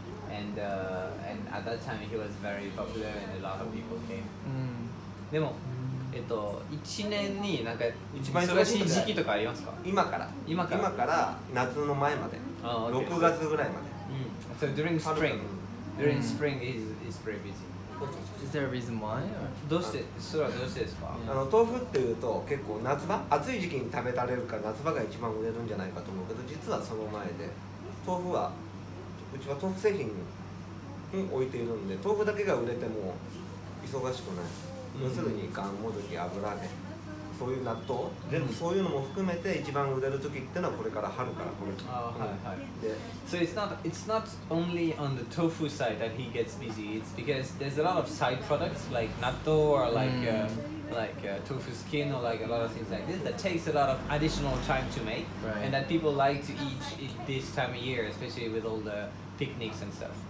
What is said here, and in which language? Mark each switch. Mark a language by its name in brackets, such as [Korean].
[English] And at that time, he was very popular and a lot of people came. [Japanese] でも、1年に何か忙しい時期とかありますか？今から夏の前まで。 [English] Okay. [Japanese] 6月ぐらいまで。 [English] So during spring. During spring is pretty busy. Is there a reason why? [Japanese] どうして、それはどうしてですか？豆腐っていうと結構夏場、暑い時期に食べられるから夏場が一番売れるんじゃないかと思うけど、実はその前で豆腐は、うちは豆腐製品に置いているんで豆腐だけが売れても忙しくない。要するにがんもどき、油揚げ、そういう納豆、全部そういうのも含めて一番売れる時ってのはこれから春からこの時。 [English] So it's not only on the tofu side that he gets busy. It's because there's a lot of side products like natto or like、 like tofu skin or like a lot of things like this that takes a lot of additional time to make, right. And that people like to eat it this time of year, especially with all the picnics and stuff.